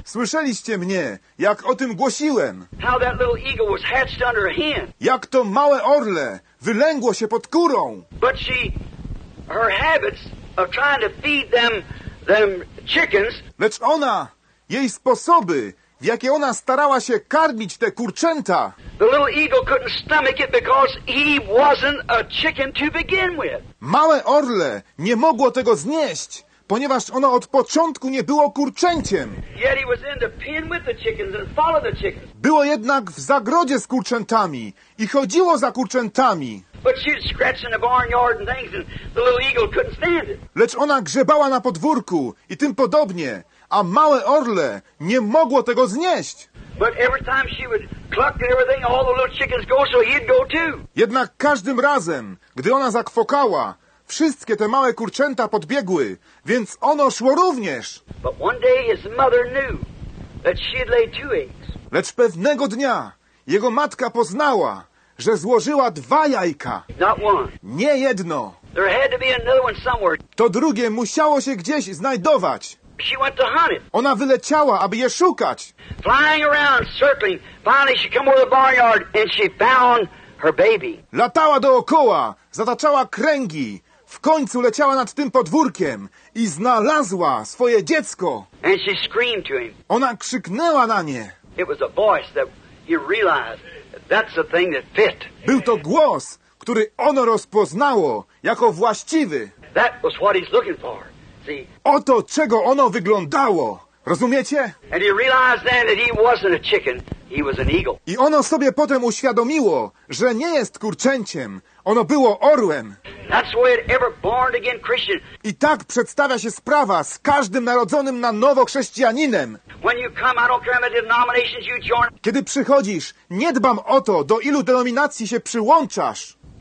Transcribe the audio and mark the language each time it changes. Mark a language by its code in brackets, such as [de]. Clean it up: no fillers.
[pl] Słyszeliście mnie, jak o tym głosiłem. [en] How that little eagle was hatched under a hen. [pl] Jak to małe orle wylęgło się pod kurą. [en] But she, her habits of trying to feed them, chickens. [pl] Lecz ona, jej sposoby, w jakie ona starała się karmić te kurczęta. [en] The little eagle couldn't stomach it because he wasn't a chicken to begin with. [pl] Małe orle nie mogło tego znieść, ponieważ ono od początku nie było kurczęciem. [en] Yet he was in the pen with the chickens and followed the chickens. [pl] Było jednak w zagrodzie z kurczętami i chodziło za kurczętami. [en] But she was scratching the barnyard and things and the little eagle couldn't stand it. [pl] Lecz ona grzebała na podwórku i tym podobnie, a małe orle nie mogło tego znieść. [en] But every time she would cluck and everything, all the little chickens go, so he'd go too. [pl] Jednak każdym razem, gdy ona zakwokała, wszystkie te małe kurczęta podbiegły, więc ono szło również. [en] But one day his mother knew that she had laid two eggs. [pl] Lecz pewnego dnia jego matka poznała, że złożyła dwa jajka. [en] Not one. [pl] Nie jedno. [en] There had to be another one somewhere. [pl] To drugie musiało się gdzieś znajdować. [en] She went to hunt it. [pl] Ona wyleciała, aby je szukać. [en] Flying around, circling. Finally she came over the barnyard and she found her baby. [pl] Latała dookoła, zataczała kręgi. W końcu leciała nad tym podwórkiem i znalazła swoje dziecko. [en] And she screamed to him. [pl] Ona krzyknęła na nie. [en] It was a voice that he realized that's the thing that fit. [pl] Był to głos, który ono rozpoznało jako właściwy. [en] That was what he's looking for. [pl] Oto czego ono wyglądało. Rozumiecie? [en] And he realized then that he wasn't a chicken, he was an eagle. [pl] I ono sobie potem uświadomiło, że nie jest kurczęciem. Ono było orłem. [en] That's why it ever born again Christian. [pl] I tak przedstawia się sprawa z każdym narodzonym na nowo chrześcijaninem. [en] When you come, I don't care about the denominations you join. [pl] Kiedy przychodzisz, nie dbam o to, do ilu denominacji się przyłączasz.